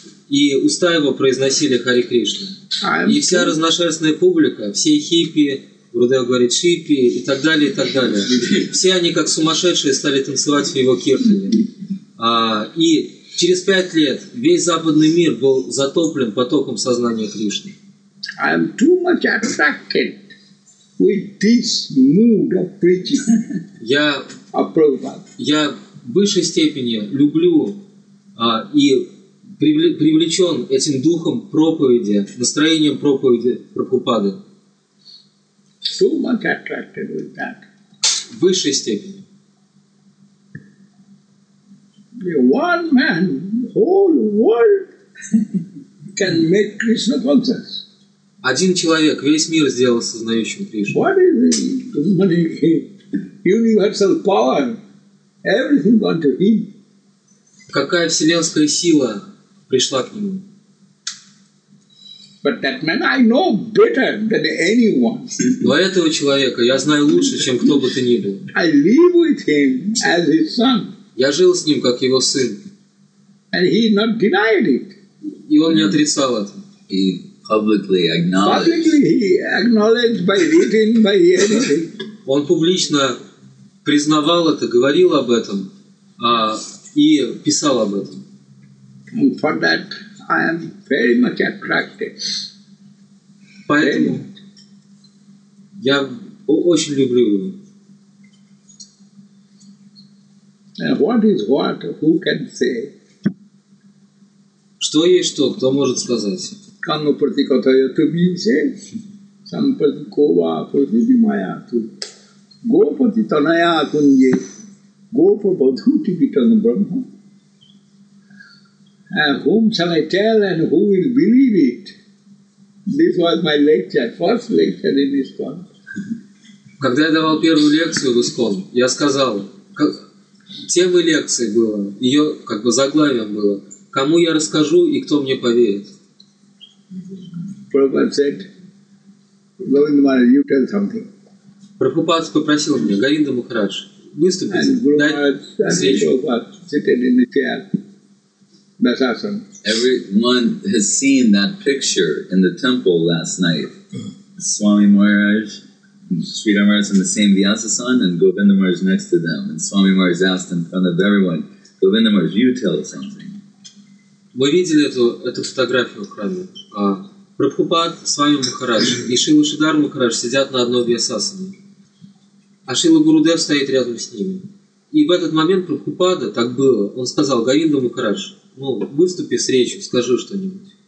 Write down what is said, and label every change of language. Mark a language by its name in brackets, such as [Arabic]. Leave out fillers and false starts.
[Russian] И уста его произносили Хари Кришна. И вся разношерстная публика, все хиппи, Гурудев говорит шиппи и так далее, и так далее. Все они как сумасшедшие стали танцевать в его киртане. И через 5 лет весь западный мир был затоплен потоком сознания Кришны. [English] I am too much attracted with this mood of preaching. [Russian] Я в высшей степени люблю и привлечен этим духом проповеди, настроением проповеди Прабхупады. [English] So much attracted with that. [Russian] В высшей степени. [English] One man, whole world can make Krishna conscious. [Russian] Один человек, весь мир сделал сознающим Кришну. [English] What is it? Universal power. Everything gone to him. [Russian] Какая вселенская сила пришла к нему. [English] But that man I know better than anyone. [Russian] Но этого человека я знаю лучше, чем кто бы то ни был. [English] I live with him as his son. [Russian] Я жил с ним, как его сын. [English] And he not denied it. [Russian] И он не отрицал это. [English] He publicly acknowledged. Publicly he acknowledged by reading, by anything. [Russian] Он публично признавал это, говорил об этом и писал об этом. [English] And for that, I am very much attracted. [Russian] Поэтому я очень люблю его. [English] And what is what? Who can say? [Russian] Что есть что? Кто может сказать? [Sanskrit] Канну пратикатая туби се, сампратикова пратибимая ту. Гопати таная кунье, гопа бадху типитан брахма. [English] Whom shall I tell and who will believe it? This was my lecture, first lecture in this one. [Russian] Когда я давал первую лекцию в ИСКОН, я сказал, тема лекции была, ее как бы заглавием было, кому я расскажу и кто мне поверит. [English] Prabhupada said, Govinda Maharaj, you tell something. [Russian] Прабхупад попросил меня, Говинда Махарадж, выступите, дать свечу. [English] Sitting in the chair. That's awesome. Everyone has seen that picture in the temple last night. Swami Maharaj, Sridhar Maharaj and the same Vyasa-san, and Govinda Maharaj next to them. And Swami Maharaj asked in front of everyone, Govinda Maharaj, you tell us something. [Russian] Мы видели эту фотографию в храме. Прабхупад, Свами Махарадж и Шрила Шридхар Махарадж сидят на одной Вьясасане. А Шрила Гурудев стоит рядом с ними. И в этот момент Прабхупада, так было, он сказал, Говинда Махарадж, Ну, выступи с речью, скажи что-нибудь.